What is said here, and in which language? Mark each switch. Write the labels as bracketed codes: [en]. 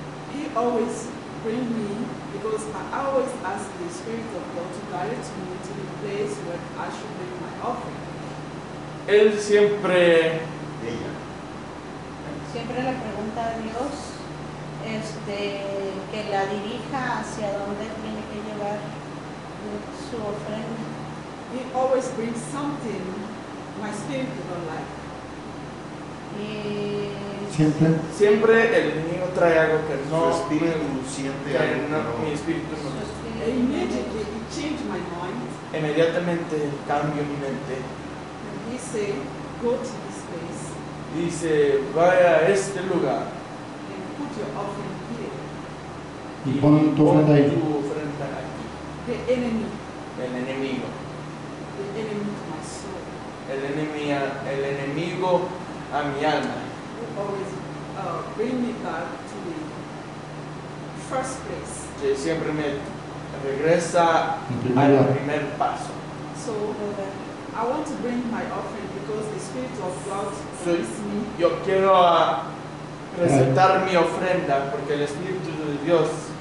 [en] He always bring me because I always ask the Spirit of God to guide me to the place where I should bring my offering. [es] Él siempre. Ella. Siempre le pregunta a Dios, que la dirija hacia donde tiene que llevar su ofrenda. [en] He always brings something my spirit don't like. [es] Y Siempre el enemigo trae algo que no su espíritu siente algo, mi espíritu no. [en] Immediately it changed my mind. [es] Inmediatamente cambio mi mente. [en] And he say, go to this place. [es] Dice, vaya a este lugar. [en] And put your offering here. [es] Y pon tu ofrenda ahí. Tu ofrenda aquí. [en] The enemy. [es] El enemigo. [en] The enemy to my soul. [es] El enemigo a mi alma. [en] Always bring me back to the first place. [es] Que siempre me regresa al primer paso. [en] So I want to bring my offering because the Spirit of God leads me. [es] Yo quiero presentar mi ofrenda porque el Espíritu de Dios